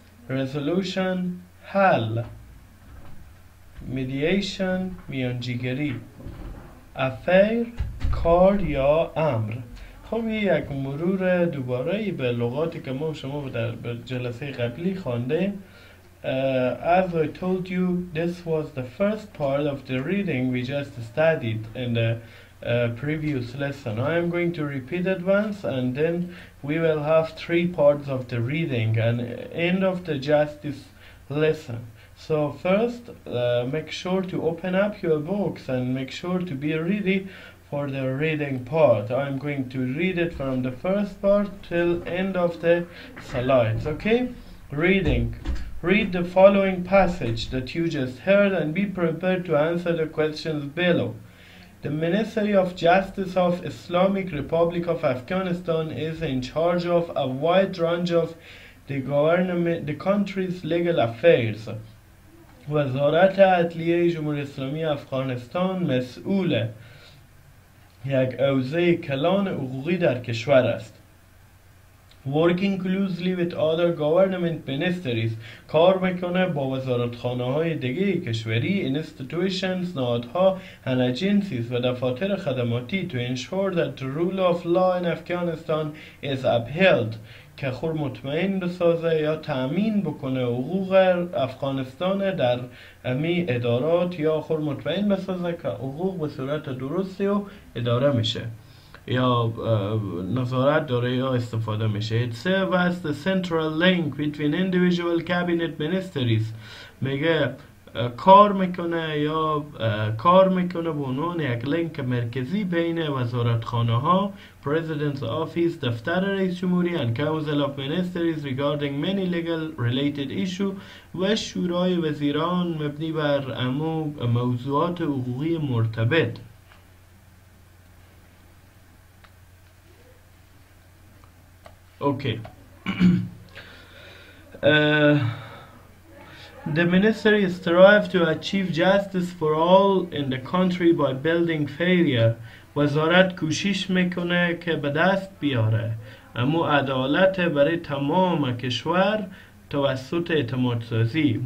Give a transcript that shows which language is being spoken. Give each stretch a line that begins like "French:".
Persian: رزولوشن، حل. میدییشن، میانجیگری. افیر، کار یا امر. خب یه یک مرور دوباره به لغاتی که ما شما در جلسه قبلی خوانده.
English: As I told you, this was the first part of the reading we just studied in the previous lesson. I am going to repeat it once and then we will have 3 parts of the reading and end of the justice lesson. So first make sure to open up your books and make sure to be ready for the reading part. I'm going to read it from the first part till end of the slides, okay? Reading. Read the following passage that you just heard and be prepared to answer the questions below. The Ministry of Justice of Islamic Republic of Afghanistan is in charge of a wide range of the government, the country's legal affairs.
Persian: وزارت عدلیه جمهور اسلامی افغانستان مسئول یک اوزه کلان حقوقی در کشور است.
English: Working closely with other government ministries,
Persian: کار میکنه با وزارتخانه های دیگه کشوری,
English: institutions,
Persian: نهادها
English: and agencies
Persian: و دفاتر خدماتی
English: to ensure that the rule of law in Afghanistan is upheld.
Persian: که خور مطمئن بسازه یا تأمین بکنه حقوق افغانستان در امی ادارات یا خور مطمئن بسازه که حقوق به صورت درستی و اداره میشه یا نظارت داره یا استفاده میشه.
English: It serves the central link between individual cabinet ministries.
Persian: میگه کار میکنه یا کار میکنه به عنوان یک لینک مرکزی بین وزارتخانه ها, President's Office, دفتر رئیس جمهوری
English: and Council of Ministers regarding many legal related issues
Persian: و شورای وزیران مبنی بر امو موضوعات حقوقی مرتبط.
English: Okay. The ministry strives to achieve justice for all in the country by building fairer.
Persian: وزارت کوشش میکنه که به دست بیاره امو عدالت برای تمام کشور توسط اعتماد سازی.